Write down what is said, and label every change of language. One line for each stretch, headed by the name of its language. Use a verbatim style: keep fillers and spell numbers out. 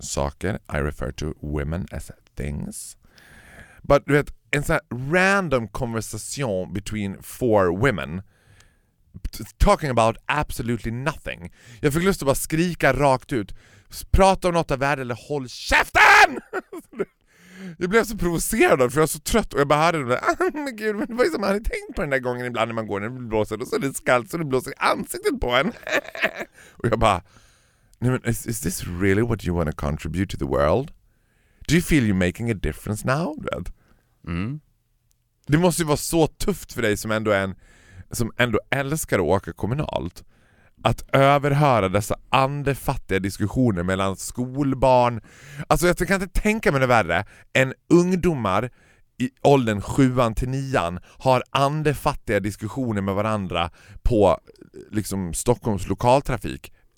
English: Saker, I refer to women as things. But
Swedish: du vet, en sån här
English: random conversation between four women talking about absolutely nothing.
Swedish: Jag fick lust att bara skrika rakt ut, prata om något av världen eller håll käften! Jag blev så provocerad för jag var så trött och jag bara hade den där, ah, men gud, men det var ju som man hade tänkt på den där gången ibland när man går när det blåser och så är det skallt så det blåser i ansiktet på en. Och jag bara, nej men
English: is, is this really what you want to contribute to the world? Do you feel you're making a difference now? Mm.
Swedish: Det måste ju vara så tufft för dig som ändå är en som ändå älskar att åka kommunalt. Att överhöra dessa andefattiga diskussioner mellan skolbarn. Alltså jag kan inte tänka mig det värre än ungdomar i åldern sjuan till nian har andefattiga diskussioner med varandra på liksom Stockholms lokaltrafik.